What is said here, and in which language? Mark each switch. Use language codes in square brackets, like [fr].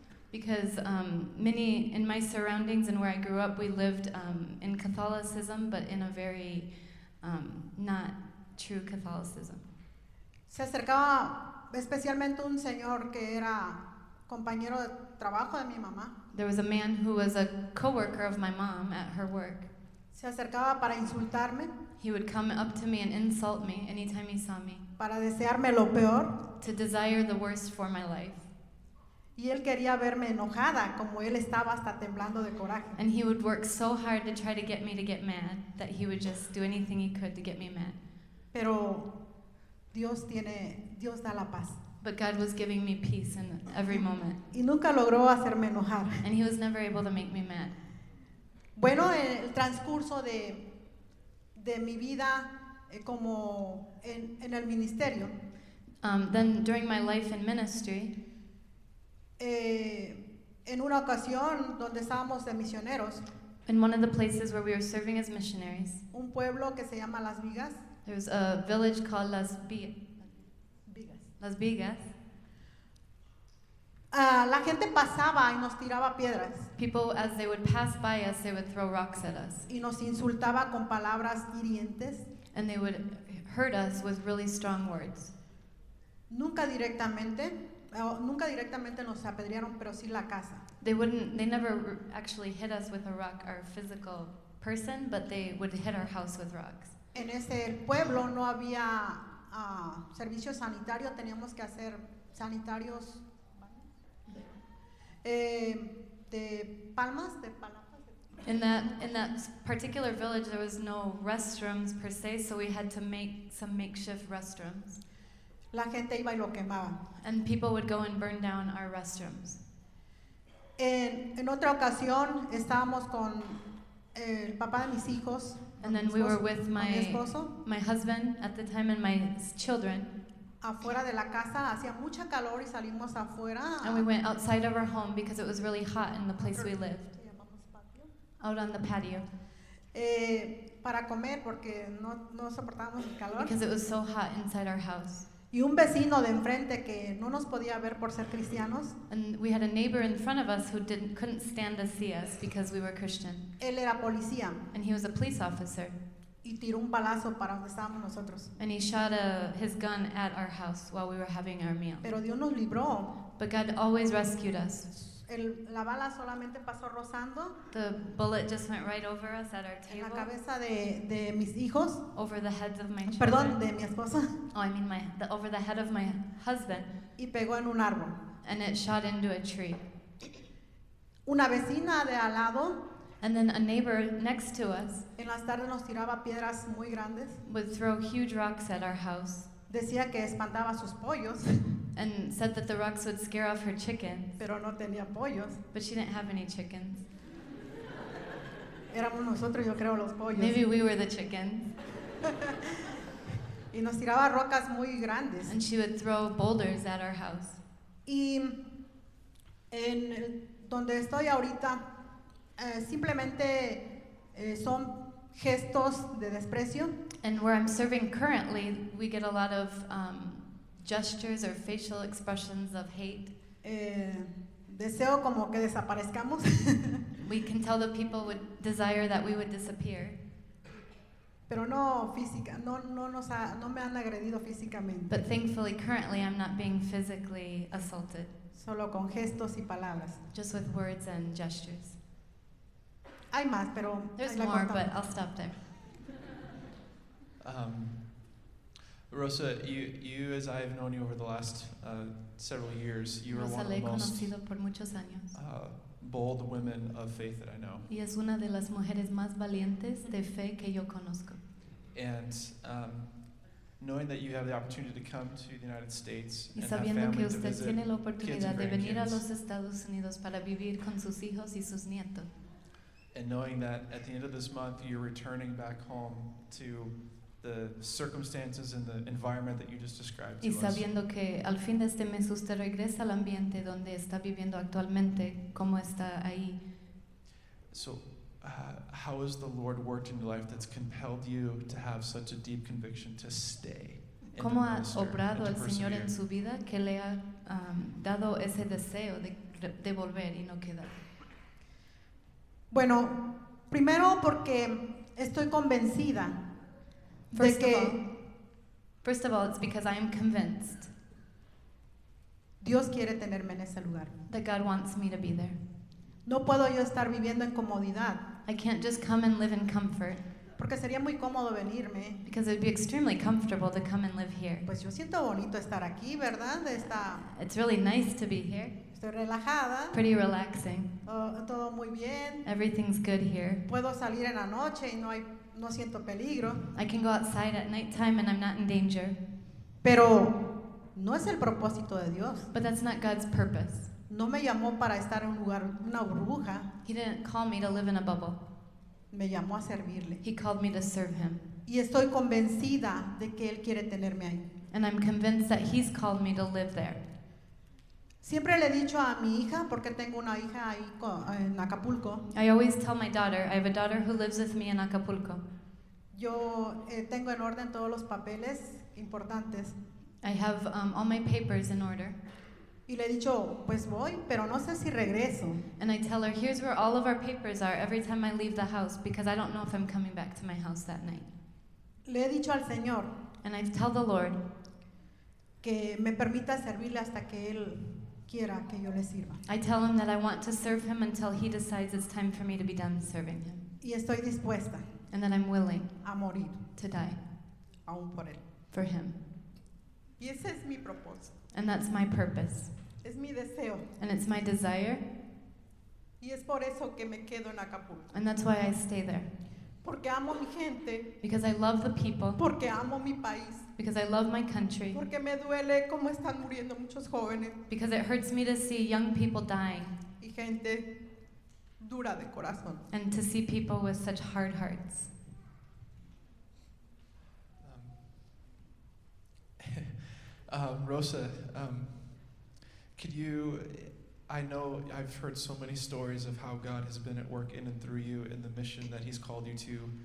[en] Because many in my surroundings and where I grew up, we lived in Catholicism, but in a very not true Catholicism. [es] Se acercaba especialmente un señor que era compañero de trabajo de mi mamá. [en] There was a man who was a coworker of my mom at her work. [es] Se acercaba para insultarme. [en] He would come up to me and insult me anytime he saw me. [es] Para desearme lo peor. [en] To desire the worst for my life. [es] Y él quería verme enojada, como él estaba hasta temblando de coraje. [en] And he would work so hard to try to get me to get mad that he would just do anything he could to get me mad. [es] Pero Dios da la paz. [en] But God was giving me peace in every moment. [es] Y nunca logró hacerme enojar. [en] And he was never able to make me mad. [es] Bueno, en el transcurso de mi vida como en el ministerio. [en] Then during my life in ministry. [es] En una ocasión donde estábamos de misioneros. [en] In one of the places where we were serving as missionaries. [es] Un pueblo que se llama Las Vigas. [en] There's a village called Las Vigas. [es] La gente pasaba y nos tiraba piedras. [en] People, as they would pass by us, they would throw rocks at us. [es] Y nos insultaba con palabras hirientes. [en] And they would hurt us with really strong words. [es] Nunca directamente nos apedrearon, pero sí la casa. [en] They never actually hit us with a rock, our physical person, but they would hit our house with rocks. [es] En ese pueblo no había servicio sanitario, teníamos que hacer sanitarios de palmas. [en] In that particular village there was no restrooms per se, so we had to make some makeshift restrooms. [es] La gente iba y lo quemaba. [en] And people would go and burn down our restrooms. [es] En otra ocasión estábamos con el papá de mis hijos. [en] And then we were with my husband at the time and my children. [es] Afuera de la casa hacía mucha calor y salimos afuera. [en] And we went outside of our home because it was really hot in the place we lived. Out on the patio. [es] Para comer porque no soportábamos el calor. [en] Because it was so hot inside our house. [es] Y un vecino de enfrente que no nos podía ver por ser cristianos. [en] And we had a neighbor in front of us who couldn't stand to see us because we were Christian. [es] Él era policía. [en] And he was a police officer. [es] Y tiró un balazo para donde estábamos nosotros. [en] And he shot his gun at our house while we were having our meal. [es] Pero Dios nos libró. [en] But God always rescued us. [es] La bala solamente pasó rozando. [en] The bullet just went right over us at our table. [es] En la cabeza de mis hijos. [en] Over the heads of my children. [es] Perdón, de mi esposa. [en] Oh, I mean over the head of my husband. [es] Y pegó en un árbol. [en] And it shot into a tree. [es] Una vecina de al lado. [en] And then a neighbor next to us. [es] En las tardes nos tiraba piedras muy grandes. [en] Would throw huge rocks at our house. [es] Decía que espantaba sus pollos. [en] And said that the rocks would scare off her chickens. [es] Pero no tenía pollos. [en] But she didn't have any chickens. [es] Éramos nosotros, yo creo, los pollos. [en] Maybe we were the chickens. [es] Y nos tiraba rocas muy grandes. [en] And she would throw boulders at our house. [es] Y en donde estoy ahorita, simplemente son gestos de desprecio. [en] And where I'm serving currently, we get a lot of gestures or facial expressions of hate. [es] Deseo como que desaparezcamos. [en] We can tell the people would desire that we would disappear. [es] Pero no física, no me han agredido físicamente. [en] But thankfully, currently, I'm not being physically assaulted. [es] Solo con gestos y palabras. [en] Just with words and gestures. [es] Hay más, pero [en] there's more, but I'll stop there. Rosa, you as I have known you over the last several years, you Rosa are one of the most [es] por muchos años. [en] Bold women of faith that I know. [es] Y es una de las mujeres más valientes de fe que yo conozco. [en] And knowing that you have the opportunity to come to the United States [es] y [en] and [es] sabiendo [en] have family [es] que usted [en] to visit [es] tiene la oportunidad [en] kids and [es] de venir a los Estados Unidos para vivir con sus hijos y sus nietos. [en] And knowing that at the end of this month, you're returning back home to the circumstances and the environment that you just described to [es] us. Y sabiendo que al fin de este mes usted regresa al ambiente donde está viviendo actualmente, como está ahí. [en] So, how has the Lord worked in your life that's compelled you to have such a deep conviction to stay? [es] ¿Cómo ha obrado el Señor en su vida que le ha dado ese deseo de volver y no quedar? Bueno, primero porque estoy convencida [en] first [es] de que [en] first of all, it's because I am convinced [es] Dios quiere tenerme en ese lugar. [en] That God wants me to be there. [es] No puedo yo estar viviendo en comodidad. [en] I can't just come and live in comfort. [es] Porque sería muy cómodo venirme. [en] Because it would be extremely comfortable to come and live here. [es] Pues yo siento bonito estar aquí, ¿verdad? Esta [en] it's really nice to be here. [es] Estoy relajada. [en] Pretty relaxing. [es] Todo muy bien. [en] Everything's good here. [es] Puedo salir en la noche y no siento peligro. [en] I can go outside at nighttime and I'm not in danger. [es] Pero no es el propósito de Dios. [en] But that's not God's purpose. [es] No me llamó para estar en un lugar, una burbuja. [en] He didn't call me to live in a bubble. [es] Me llamó a servirle. [en] He called me to serve him. [es] Y estoy convencida de que él quiere tenerme ahí. [en] And I'm convinced that he's called me to live there. [es] Siempre le he dicho a mi hija, porque tengo una hija ahí en Acapulco. [en] I always tell my daughter, I have a daughter who lives with me in Acapulco. [es] Yo tengo en orden todos los papeles importantes. [en] I have all my papers in order. [es] Y le he dicho, pues voy, pero no sé si regreso. [en] And I tell her, here's where all of our papers are every time I leave the house, because I don't know if I'm coming back to my house that night. [es] Le he dicho al Señor. [en] And I tell the Lord. [es] Que me permita servirle hasta que él quiera que yo le sirva. [en] I tell him that I want to serve him until he decides it's time for me to be done serving him. [es] Y estoy dispuesta. [en] And that I'm willing. [es] A morir. [en] To die. [es] Aún por él. [en] For him. [es] Y ese es mi propósito. [en] And that's my purpose. [es] Es mi deseo. [en] And it's my desire. [es] Y es por eso que me quedo en Acapulco. [en] And that's why I stay there. [es] Porque amo mi gente. [en] Because I love the people. [es] Porque amo mi país. [en] Because I love my country. [es] Porque me duele cómo están muriendo muchos jóvenes. [en] Because it hurts me to see young people dying. [es] Y gente dura de corazón. [en] And to see people with such hard hearts. Rosa, could you, I know I've heard so many stories of how God has been at work in and through you in the mission that he's called you to.